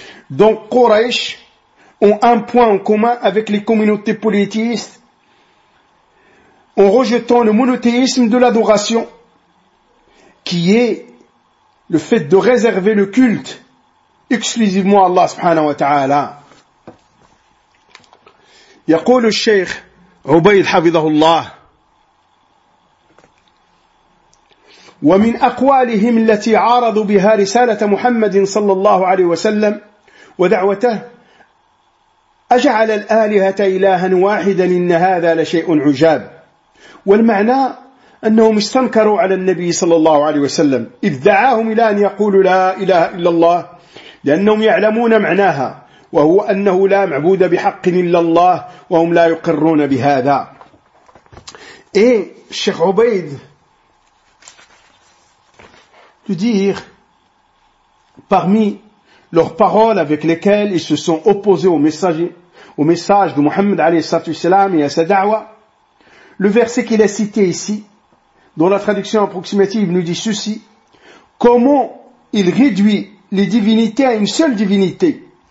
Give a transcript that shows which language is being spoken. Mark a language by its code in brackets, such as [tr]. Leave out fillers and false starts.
[fr] Donc Quraysh ont un point en commun avec les communautés polythéistes en rejetant le monothéisme de l'adoration, qui est le fait de réserver le culte exclusivement à Allah subhanahu wa ta'ala. [ar] يقول الشيخ عبيد حفظه الله ومن أقوالهم التي عارضوا بها رسالة محمد صلى الله عليه وسلم ودعوته أجعل الآلهة إلها واحدا إن هذا لشيء عجاب والمعنى أنهم استنكروا على النبي صلى الله عليه وسلم إذ دعاهم إلى أن يقولوا لا إله إلا الله لأنهم يعلمون معناها وهو أنه لا معبود بحق إلا الله وهم لا يقرون بهذا. [fr] Et Cheikh Obeid lui dit, parmi leurs paroles avec lesquelles ils se sont opposés au message de Mohammed a.s. et à sa da'wa, le verset qu'il a cité ici, dont la traduction approximative nous dit ceci: comment il réduit les divinités à une seule divinité?